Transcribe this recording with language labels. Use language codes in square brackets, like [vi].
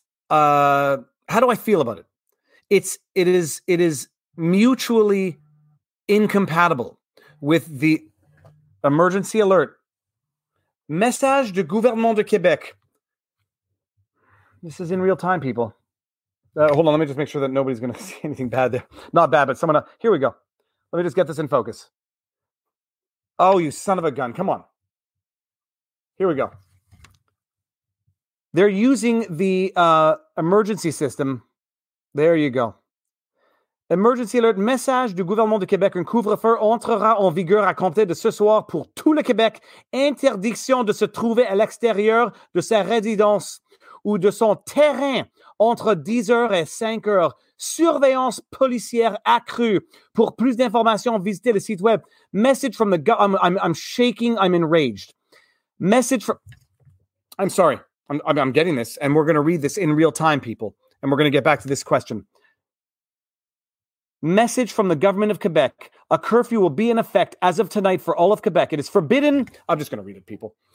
[en] How do I feel about it? It is mutually incompatible with the emergency alert. [fr] Message du gouvernement de Québec. [en] This is in real time, people. Hold on, let me just make sure that nobody's going to see anything bad there. Not bad, but someone else. Here we go. Let me just get this in focus. Oh, you son of a gun. Come on. Here we go. They're using the emergency system. There you go. Emergency alert. [fr] Message du gouvernement de Québec. Un couvre-feu entrera en vigueur à compter de ce soir pour tout le Québec. Interdiction de se trouver à l'extérieur de sa résidence ou de son terrain entre 10h et 5h. Surveillance policière accrue. Pour plus d'informations, visitez le site web. [en] Message from the government. I'm shaking. I'm enraged. Message from... I'm sorry. I'm getting this, and we're going to read this in real time, people. And we're going to get back to this question. Message from the government of Quebec. A curfew will be in effect as of tonight for all of Quebec. It is forbidden... I'm just going to read it, people.